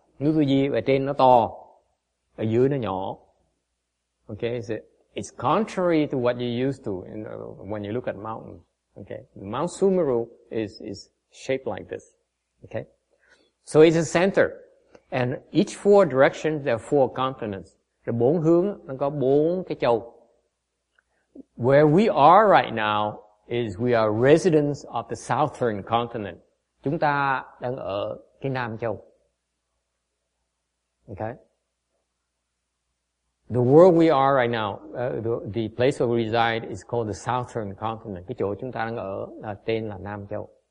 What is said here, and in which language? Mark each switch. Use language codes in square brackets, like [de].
[vi] Núi Tu Di ở trên nó to, ở dưới nó nhỏ. [en] Okay, so it's contrary to what you used to in, when you look at mountains. Okay, Mount Sumeru is shaped like this. Okay, so it's a center, and each four directions there are four continents. [vi] The bốn hướng nó có bốn cái châu. [en] Where we are right now is we are residents of the southern continent. [vi] Chúng ta đang ở cái Nam Châu. [en] Okay. The world we are right now, the place where we reside is called the southern continent. [vi] Cái chỗ chúng ta đang ở là tên là Nam Châu.